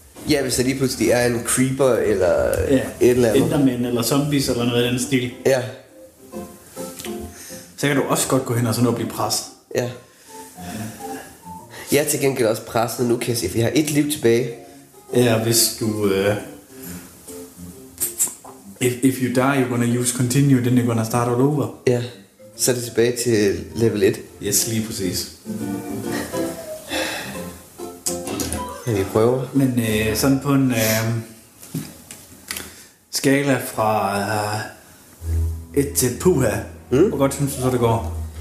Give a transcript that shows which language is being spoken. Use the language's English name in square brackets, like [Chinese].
[Danish] Ja, hvis der lige pludselig er en creeper eller ja, et eller andet. Endermænd eller zombies eller noget andet stil. Ja. Så kan du også godt gå hen og så nå at blive presset. Ja. Jeg er til gengæld også presset nu, kan jeg se, vi har et liv tilbage. Ja, hvis du... [English] If you die, you're gonna use continue, then you're gonna start all over. [Danish] Ja, så er det tilbage til level 1. Yes, lige præcis. Ja, vi prøver. Men sådan på en skala fra 1 til puha, hvor godt synes du så, det går?